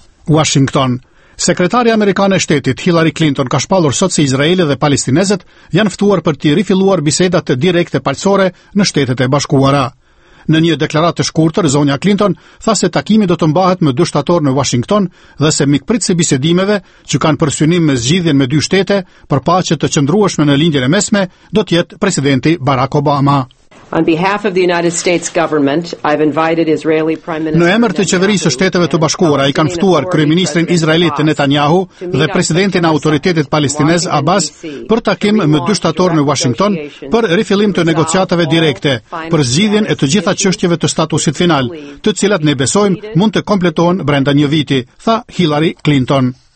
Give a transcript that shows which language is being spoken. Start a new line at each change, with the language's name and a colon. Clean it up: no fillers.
Albanian: Washington. Sekretari amerikan e shtetit Hillary Clinton ka shpallur sot se Izraeli dhe palestinezët janë ftuar për të rifilluar bisedat direkte paqësore në Shtetet e Bashkuara. Në një deklaratë të shkurtër, zonja Clinton tha se takimi do të mbahet më dy shtator në Washington dhe se mikpritësi bisedimeve që kanë për synim me zgjidhjen me dy shtete për paqe të qëndrueshme në lindjen e mesme do të jetë presidenti Barack Obama.
English: On behalf of the United States government, I've invited Israeli Prime Minister.
Albanian: Në emër të qeverisë së Shteteve të Bashkuara, i kanë ftuar kryeministrin izraelit Netanyahu dhe presidentin e autoritetit palestinez Abbas për takim me dy shtator në Washington për rifillim të negociatave direkte për zgjidhjen e të gjitha çështjeve të statusit final, të cilat ne besojmë mund të kompletohen brenda një viti, tha Hillary Clinton.